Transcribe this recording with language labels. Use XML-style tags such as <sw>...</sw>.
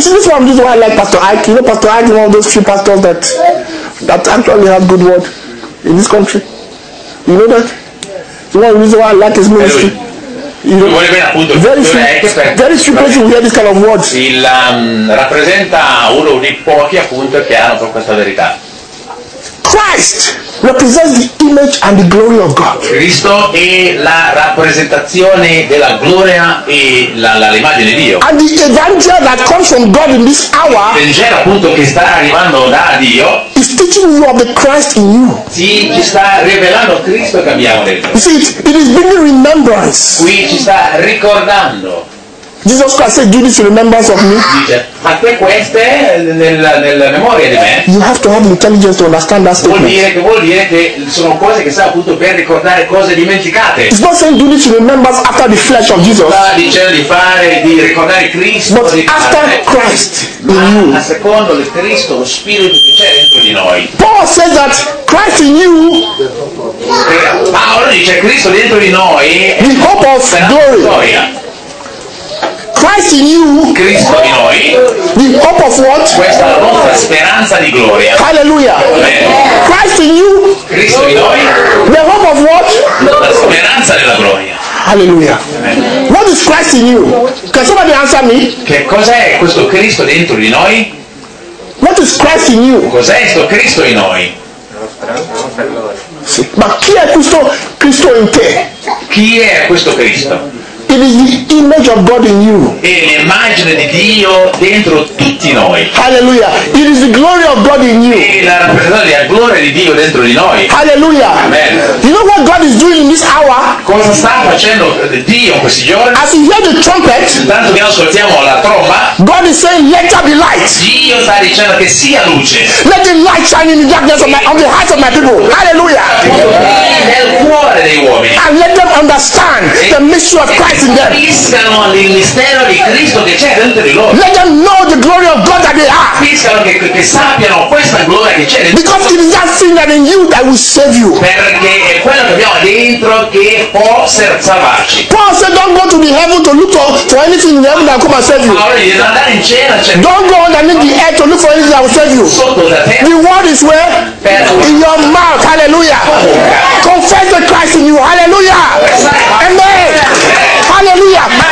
<en>See, this is why I like Pastor Ike. You know Pastor Ike is one of those few pastors that actually have good word in this country. You know that? It's one of the reasons why I like his ministry. You know,</en> <it>vuole bene appunto</it> <en>very few,</en> <it>ecco,</it> <en>very few places we have this kind of words.</en> <it>Il rappresenta uno dei pochi appunto che hanno per questa verità.</it> <en>Christ represents the image and the glory of God.</en> <it>Cristo è la rappresentazione della gloria e l'immagine di Dio.</it> <en>And the evangel that comes from God in this hour.</en> <it>Il Vangelo appunto che sta arrivando da Dio.</it> <en>Is teaching you of the Christ in you.</en> <it>Sì, ci sta rivelando Cristo che abbiamo dentro.</it> <en>See, it is bringing remembrance.</en> <it>Qui ci sta ricordando.</it> <en>Jesus Christ said, "Do this in remembrance of me."</en> <it>Ma che queste nella memoria di me?</it> <en>You have to have intelligence to understand that statement.</en> <it>Vuol dire che sono cose che sa appunto per ricordare cose dimenticate.</it> <en>It's not saying do this in remembrance after the flesh of Jesus.</en> <it>Sta dicendo di fare di ricordare Cristo.</it> <en>But after Christ in you.</en> <it>Ma secondo il Cristo, lo Spirito che c'è dentro di noi.</it> <en>Paul says that Christ in you.</en> <it>Paolo dice Cristo dentro di noi.</it> <en>The hope of glory. Christ in you,</en> <it>Cristo in noi,</it> <en>the hope of what?</en> <it>Questa è la nostra speranza di gloria.</it> <en>Hallelujah. Amen. Christ in you,</en> <it>Cristo in noi,</it> <en>the hope of what?</en> <it>La speranza della gloria.</it> <en>Hallelujah. Amen. What is Christ in you? Can somebody answer me?</en> <it>Che cos'è questo Cristo dentro di noi?</it> <en>What is Christ in you?</en> <it>Cos'è questo Cristo in noi? Sì. Ma chi è questo Cristo in te? Chi è questo Cristo?</it> <en>It is the image of God in you.</en> <it>È l'immagine di Dio dentro tutti noi.</it> <en>Hallelujah. It is the glory of God in you.</en> <it>È la rappresentazione della gloria di Dio dentro di noi.</it> <en>Hallelujah. Amen. You know what God is doing in this hour?</en> <it>Cosa sta facendo Dio in questi giorni?</it> <en>As he hears the trumpet,</en> <it>intanto che ascoltiamo la tromba,</it> <en>God is saying, let there be light.</en> <it>Dio sta dicendo che sia luce.</it> <en>Let the light shine in the darkness of my, on the hearts of my people. Hallelujah.</en> <it>Nel cuore dei uomini.</it> <en>And let them understand the mystery of Christ.</en> <it>Capiscano il mistero di Cristo che c'è dentro di loro.</it> <en>Let them know the glory of God that they are.</en> <it>Capiscano che sappiano questa gloria che c'è dentro.</it> <en>Because it is that thing that in you that will save you.</en> <it>Perché è quello che abbiamo dentro che può salvarci.</it> <en>Paul said, don't go to the heaven to look for anything in the heaven that will come and save you. Don't go underneath the earth to look for anything that will save you. The word is where? In your mouth. Hallelujah. Confess the Christ in you. Hallelujah. Amen. Hallelujah!</en>